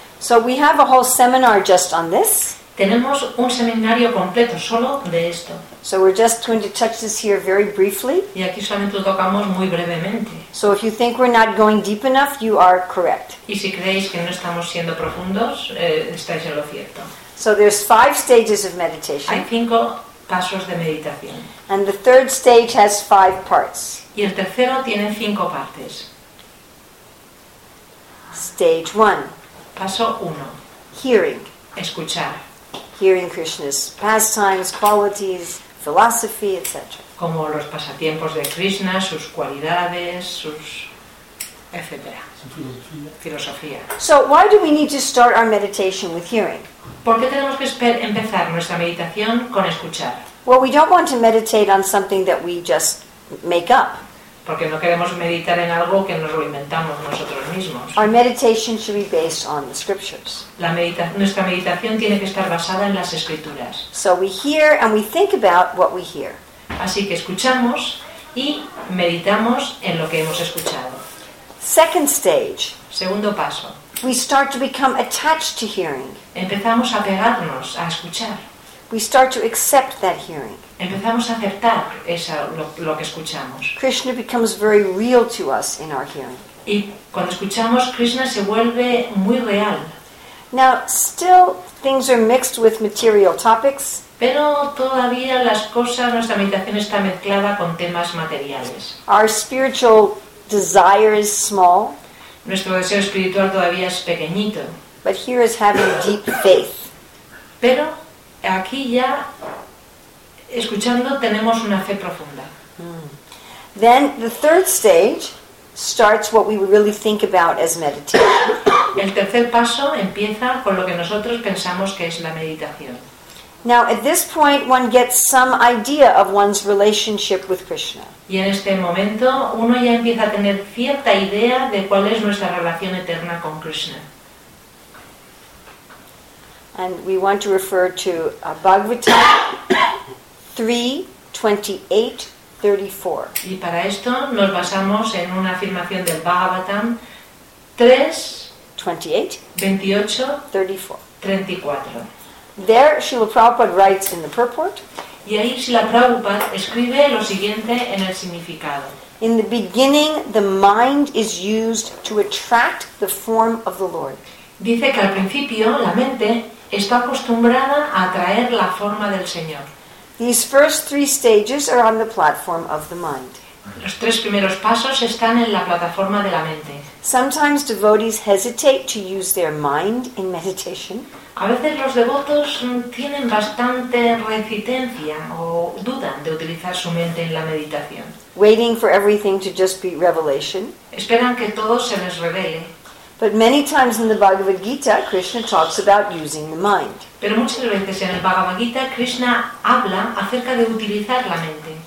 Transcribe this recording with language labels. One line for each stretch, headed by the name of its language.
English: So we have a whole seminar just on this.
Spanish: Tenemos un seminario completo solo de esto.
English: So we're just going to touch this here very briefly.
Spanish: Y aquí solamente lo tocamos muy brevemente.
English: So if you think we're not going deep enough, you are correct.
Spanish: Y si creéis que no estamos siendo profundos, estáis en lo cierto.
English: So there's five stages of meditation.
Spanish: Hay cinco pasos de meditación.
English: And the third stage has five parts.
Spanish: Y el tercero tiene cinco partes.
English: Stage one.
Spanish: Paso uno.
English: Hearing.
Spanish: Escuchar.
English: Hearing Krishna's pastimes, qualities, philosophy, etc.
Spanish: Como los pasatiempos de Krishna, sus cualidades, sus etcétera. Filosofía.
English: So why do we need to start our meditation with hearing?
Spanish: ¿Por qué tenemos que empezar nuestra meditación con escuchar?
English: Well, we don't want to meditate on something that we just make up.
Spanish: Porque no queremos meditar en algo que nos lo inventamos nosotros mismos.
English: Our meditation should be based on the scriptures.
Spanish: Nuestra meditación tiene que estar basada en las escrituras.
English: So we hear and we think about what we hear.
Spanish: Así que escuchamos y meditamos en lo que hemos escuchado.
English: Second stage.
Spanish: Segundo paso.
English: We start to become attached to hearing.
Spanish: Empezamos a pegarnos a escuchar.
English: We start to accept that hearing.
Spanish: Empezamos a aceptar lo que escuchamos.
English: Krishna becomes very real to us in our hearing.
Spanish: Y cuando escuchamos, Krishna se vuelve muy real.
English: Now, still, things are mixed with material topics.
Spanish: Pero todavía las cosas, nuestra meditación está mezclada con temas materiales.
English: Our spiritual desire is small.
Spanish: Nuestro deseo espiritual todavía es pequeñito.
English: But here is having deep faith.
Spanish: Pero aquí ya escuchando tenemos una fe profunda.
English: Then the third stage starts what we really think about as meditation.
Spanish: El tercer paso empieza con lo que nosotros pensamos que es la meditación.
English: Now at this point one gets some idea of one's relationship with Krishna.
Spanish: Y en este momento uno ya empieza a tener cierta idea de cuál es nuestra relación eterna con Krishna.
English: And we want to refer to Bhagavatam 3:28-34.
Spanish: Y para esto nos basamos en una afirmación del Bhagavatam 3:28-34.
English: There Srila Prabhupada writes in the purport.
Spanish: Y ahí Srila Prabhupada escribe lo siguiente en el significado.
English: In the beginning, the mind is used to attract the form of the Lord.
Spanish: Dice que al principio la mente está acostumbrada a atraer la forma del Señor.
English: These first three stages are on the platform of the mind.
Spanish: Los tres primeros pasos están en la plataforma de la mente.
English: Sometimes devotees hesitate to use their mind in meditation.
Spanish: A veces los devotos tienen bastante reticencia o dudan de utilizar su mente en la meditación.
English: Waiting for everything to just be revelation.
Spanish: Esperan que todo se les revele.
English: But many times in the Bhagavad Gita, Krishna talks about using the mind.
Spanish: Pero muchas veces en el Bhagavad Gita, Krishna habla acerca de utilizar la mente.